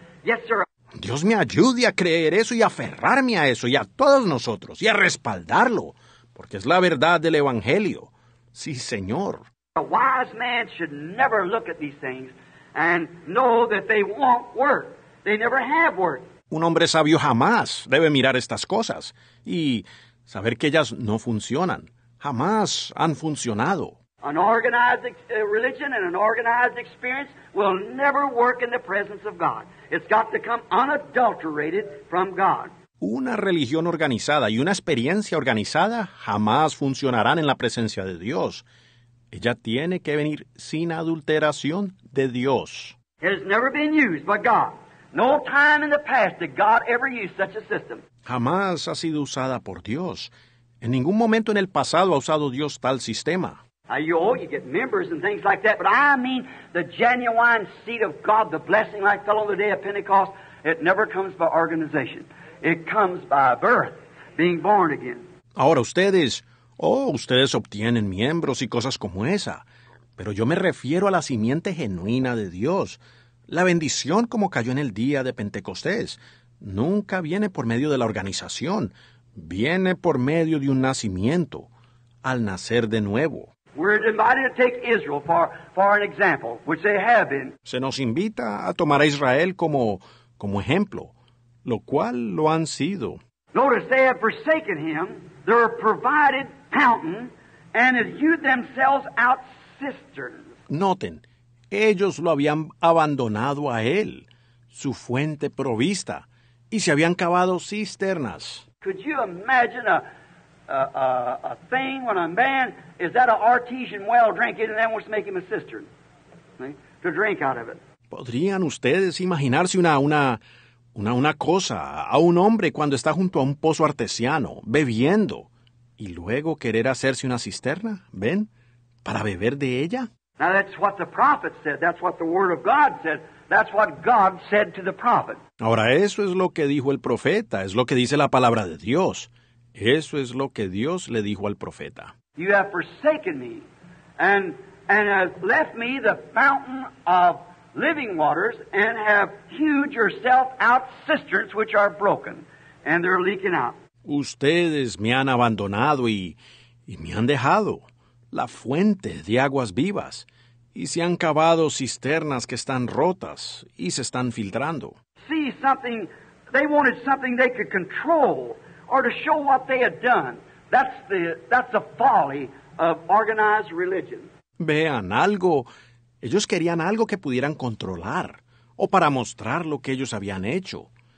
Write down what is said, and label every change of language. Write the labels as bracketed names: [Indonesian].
[English] Yes, sir. [Spanish] Dios me ayude a creer eso y aferrarme a eso y a todos nosotros y a respaldarlo, porque es la verdad del Evangelio. Sí, Señor. [English] A wise man should never look at these things and know that they won't work. They never have worked. [Spanish] Un hombre sabio jamás debe mirar estas cosas y saber que ellas no funcionan. Jamás han funcionado. [English] An organized religion and an organized experience will never work in the presence of God. It's got to come unadulterated from God. [Spanish] Una religión organizada y una experiencia organizada jamás funcionarán en la presencia de Dios. Ella tiene que venir sin adulteración de Dios. [English] It has never been used by God. No time in the past did God ever use such a system. [Spanish] Jamás ha sido usada por Dios. En ningún momento en el pasado ha usado Dios tal sistema. [English] You get members and things like that, but I mean the genuine seed of God, the blessing like fell on the day of Pentecost, it never comes by organization. It comes by birth, being born again. [Spanish] Ahora ustedes... ustedes obtienen miembros y cosas como esa. Pero yo me refiero a la simiente genuina de Dios. La bendición como cayó en el día de Pentecostés nunca viene por medio de la organización. Viene por medio de un nacimiento, al nacer de nuevo. [English] We're invited to take Israel for an example, which they have been. [Spanish] Se nos invita a tomar a Israel como ejemplo, lo cual lo han sido. [English] Notice they have forsaken him. They're provided fountain, and have hewed themselves out cisterns. [Spanish] Noten, ellos lo habían abandonado a él, su fuente provista, y se habían cavado cisternas. [English] Could you imagine a thing when a man is at an artesian well drinking, and then wants to make him a cistern, to drink out of it? [Spanish] ¿Podrían ustedes imaginarse una cosa a un hombre cuando está junto a un pozo artesiano, bebiendo, y luego querer hacerse una cisterna, ¿ven?, para beber de ella? [English] Now that's what the prophet said. That's what the word of God said. That's what God said to the prophet. [Spanish] Ahora, eso es lo que dijo el profeta. Es lo que dice la palabra de Dios. Eso es lo que Dios le dijo al profeta. [English] You have forsaken me and have left me the fountain of living waters and have hewed yourself out cisterns which are broken and they're leaking out. [Spanish] Ustedes me han abandonado y me han dejado la fuente de aguas vivas y se han cavado cisternas que están rotas y se están filtrando. [English] See something, they wanted something they could control or to show what they had done. That's the folly of organized religion. [Spanish] Vean algo. Ellos querían algo que pudieran controlar o para mostrar lo que ellos habían hecho.